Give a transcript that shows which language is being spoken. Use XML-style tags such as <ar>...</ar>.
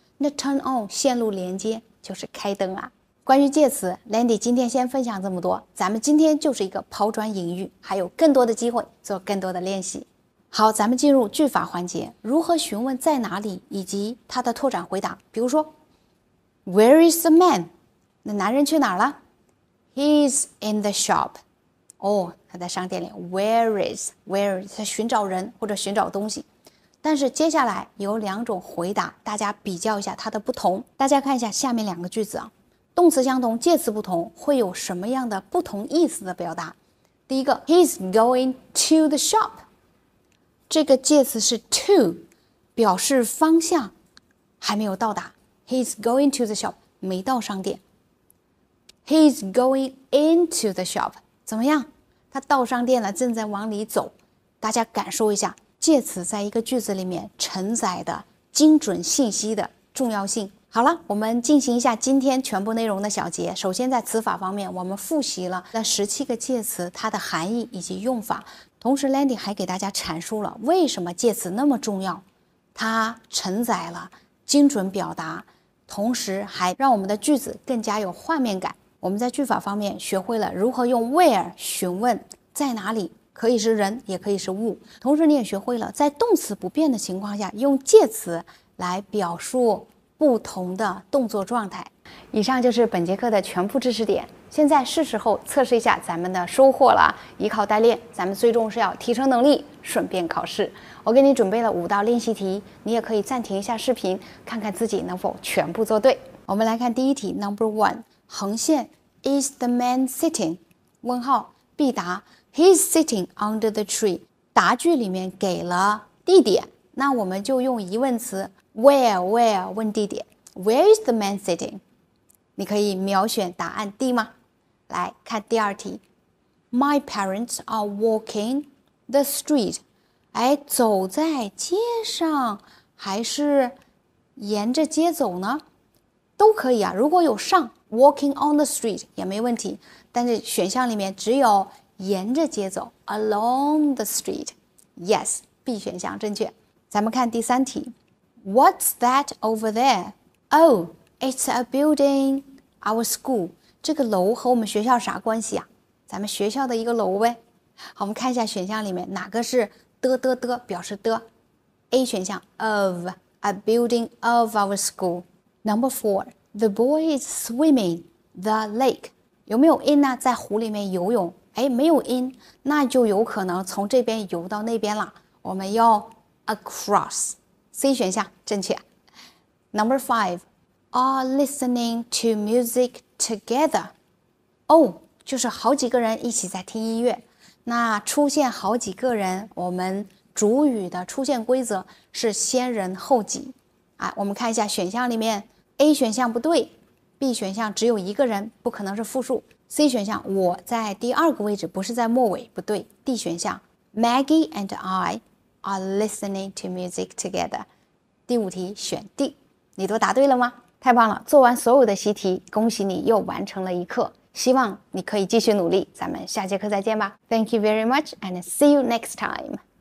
<zh>那</zh> <en>turn on</en> <zh>线路连接就是开灯啊。关于介词 ，Landy 今天先分享这么多，咱们今天就是一个抛砖引玉，还有更多的机会做更多的练习。好，咱们进入句法环节，如何询问在哪里以及它的拓展回答。比如说</zh> <en>，Where is the man？</en> <zh>那男人去哪儿了？</zh> <en>He's in the shop.</en> <zh>他在商店里。</zh> <en>Where is?</en> <zh>他寻找人或者寻找东西。但是接下来有两种回答，大家比较一下它的不同。大家看一下下面两个句子啊，动词相同，介词不同，会有什么样的不同意思的表达？第一个</zh> <en>，He's going to the shop.</en> <zh>这个介词是 to， 表示方向，还没有到达。</zh> <en>He's going to the shop，</en> <zh>没到商店。</zh> <en>He's going into the shop.</en> <zh>怎么样？他到商店了，正在往里走。大家感受一下介词在一个句子里面承载的精准信息的重要性。好了，我们进行一下今天全部内容的小结。首先在词法方面，我们复习了那17个介词它的含义以及用法。同时 Landy 还给大家阐述了为什么介词那么重要。它承载了精准表达，同时还让我们的句子更加有画面感。我们在句法方面学会了如何用 where 询问在哪里，可以是人也可以是物。同时你也学会了在动词不变的情况下用介词来表述不同的动作状态。以上就是本节课的全部知识点，现在是时候测试一下咱们的收获了。依靠代练，咱们最终是要提升能力顺便考试。我给你准备了5道练习题，你也可以暂停一下视频，看看自己能否全部做对。我们来看第一题</zh> <en>Number 1，</en> <zh>横线</zh> <en>,is the man sitting?</en> <zh>问号，必答</zh> <en>,he's sitting under the tree.</en> <zh>答句里面给了地点，那我们就用疑问词 where 问地点。</zh> <en>Where is the man sitting?</en> <zh>你可以秒选答案 D 吗？来看第二题。</zh> <en>My parents are walking the street.</en> <zh>哎，走在街上还是沿着街走呢？都可以啊，如果有上</zh> <en>walking on the street</en> <zh>也没问题，但是选项里面只有沿着街走</zh> <en>along the street。 Yes，</en> <zh>B 选项正确。咱们看第三题。</zh> <en>What's that over there? Oh, it's a building our school.</en> <zh>这个楼和我们学校啥关系啊？咱们学校的一个楼呗。好，我们看一下选项里面哪个是的的的表示的。</zh> <en>A</en> <zh>选项</zh> <en>of a building of our school。 Number 4, the boy is swimming the lake.</en> <zh>有没有 in 啊？在湖里面游泳。哎，没有 in， 那就有可能从这边游到那边了，我们要 across。 C 选项正确。</zh> <en>Number 5, are listening to music together. Oh,</en> <zh>就是好几个人一起在听音乐。那出现好几个人，我们主语的出现规则是先人后己。哎，我们看一下选项里面 ，A 选项不对 ，B 选项只有一个人，不可能是复数 ，C 选项我在第二个位置，不是在末尾，不对 ，D 选项</zh> <en>Maggie and I are listening to music together。</en> <zh>第五题选 D， 你都答对了吗？太棒了，做完所有的习题，恭喜你又完成了一课。希望你可以继续努力，咱们下节课再见吧。</zh> <en>Thank you very much and see you next time.</en>